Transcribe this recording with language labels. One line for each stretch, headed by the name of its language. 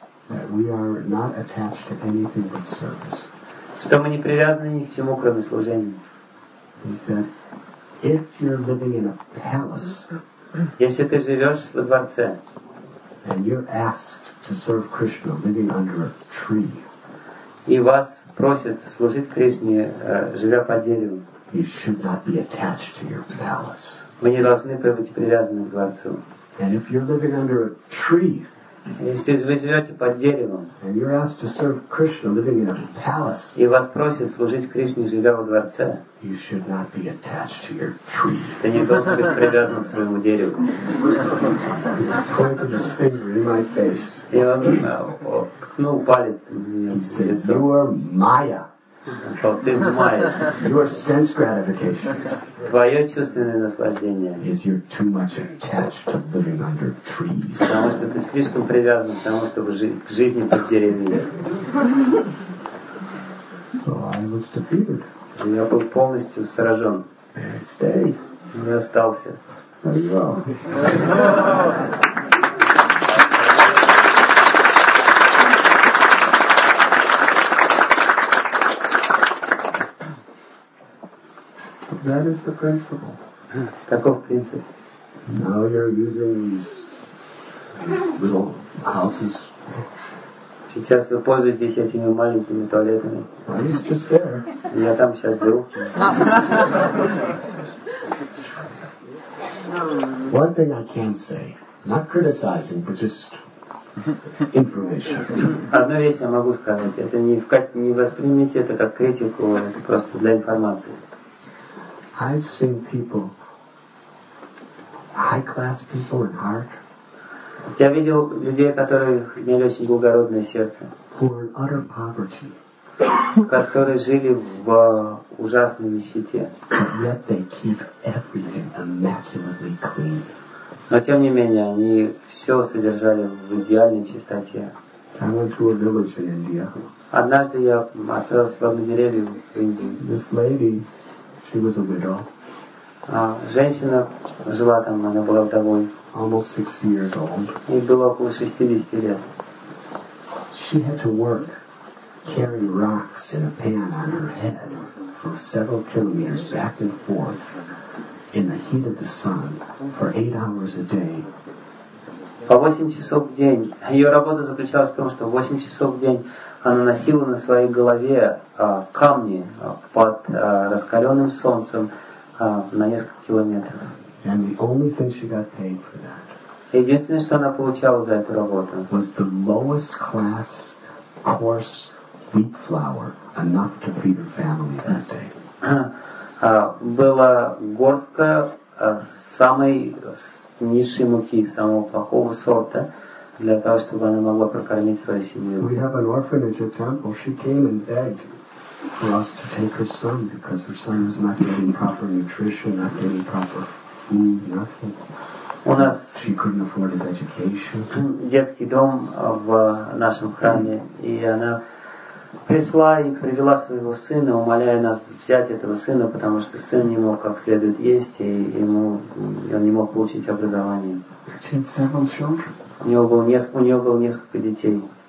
English: That we are not attached to anything but service.
Russian: Что мы не привязаны ни к чему, кроме служения.
English: He said, if you're living in a palace.
Russian: Если ты живешь во дворце.
English: And you're asked to serve Krishna living under a tree.
Russian: И вас просят служить Кришне, живя под деревом.
English: You should not be attached to your palace.
Russian: Вы не должны быть привязаны к дворцу.
English: And if you're living under a tree,
Russian: если вы живете под деревом,
English: and you're asked to serve Krishna living in a palace,
Russian: и вас просят служить Кришне, живя во дворце,
English: you should not be attached to your tree.
Russian: Ты не должен быть привязан к своему дереву.
English: He pointed his finger in my face.
Russian: И он ткнул палец мне в лицо.
English: You are Maya.
Russian: Сказал, ты Майя.
English: Your sense gratification.
Russian: Твое чувственное наслаждение.
English: Is you're too much attached to living under trees.
Russian: Потому что ты слишком привязан к тому, чтобы жить к жизни под деревьями.
English: So I was defeated.
Russian: Я был полностью сражен.
English: Stay.
Russian: И остался.
English: That is the principle.
Russian: Таков принцип.
English: Now you're using these little houses.
Russian: Сейчас вы пользуетесь этими маленькими туалетами.
English: He's just there.
Russian: Я там сейчас был.
English: One thing I can say, not criticizing, but just information.
Russian: Одну вещь я могу сказать. Это не воспримите это как критику, это просто для информации.
English: I've seen people, high-class people in heart.
Russian: Я видел людей, которые имели очень благородное сердце.
English: Who were in utter poverty.
Russian: Которые жили в ужасной нищете.
English: But yet they keep everything immaculately clean.
Russian: Но тем не менее они все содержали в идеальной чистоте.
English: I went to a village in India.
Russian: Однажды я отправился в одну деревню в Индии.
English: This lady. She was a widow.
Russian: Женщина жила там, она была вдовой.
English: Almost 60 years old.
Russian: Ей было около 60 лет.
English: She had to work, carry rocks in a pan on her head for several kilometers back and forth in the heat of the sun for 8 hours a day.
Russian: По 8 часов в день. Ее работа заключалась в том, что 8 часов в день она носила на своей голове камни под раскаленным солнцем на несколько километров.
English: And the only thing she got paid for that.
Russian: Единственное, что она получала за эту работу,
English: was the lowest class coarse wheat flour enough to feed her family that day.
Russian: Была горстка самой низшей муки, самого плохого сорта, для того, чтобы она могла прокормить свою семью.
English: We have an orphanage at temple. She came and begged for us to take her son because her son was not getting proper nutrition, not getting proper food, nothing.
Russian: У нас
English: she couldn't afford his education.
Russian: Детский дом в нашем храме, и она пришла и привела своего сына, умоляя нас взять этого сына, потому что сын не мог как следует есть, и ему он не мог получить образование. У него было несколько детей.